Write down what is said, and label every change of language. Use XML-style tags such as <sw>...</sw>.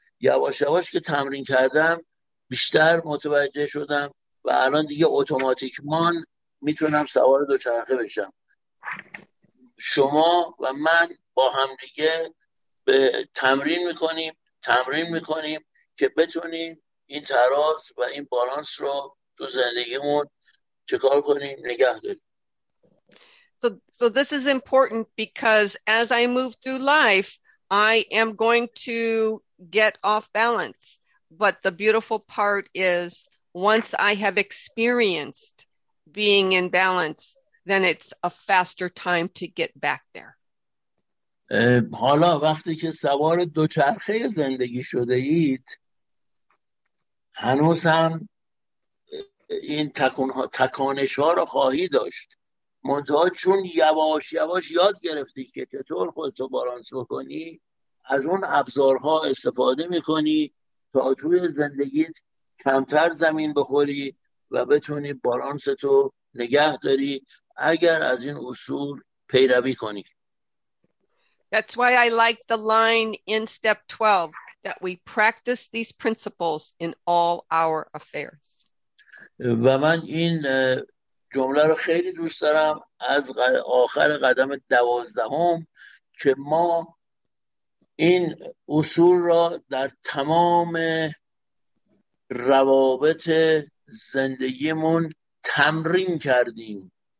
<fa>یواش یواش که تمرین کردم بیشتر متوجه شدم و الان دیگه اتوماتیکمان میتونم سوار دوچرخه بشم. شما و من با هم دیگه به تمرین میکنیم که بتونیم این تراز و این بالانس رو تو زندگیمون چکار کنیم، نگه داریم.</fa> <en>So this is important because as I move through life, I am going to get off balance. But the beautiful part is once I have experienced being in balance, then it's a faster time to get back there.</en> <fa>حالا وقتی که سوار دوچرخه زندگی شده اید هنوز هم این تکانش ها رو خواهی داشت، منتها چون یواش یواش یاد گرفتی که چطور خودتو بالانس بکنی، از اون ابزارها استفاده میکنی تا توی زندگیت کمتر زمین بخوری و بتونی بالانستو نگه داری اگر از این اصول پیروی کنی.</fa> <en>That's why I like the line in step 12 that we practice these principles in all our affairs.</en> <fa>و من این جمله رو خیلی دوست دارم از آخر قدم 12 که ما این اصول را در تمام روابط زندگیمون تمرین کردیم.</fa>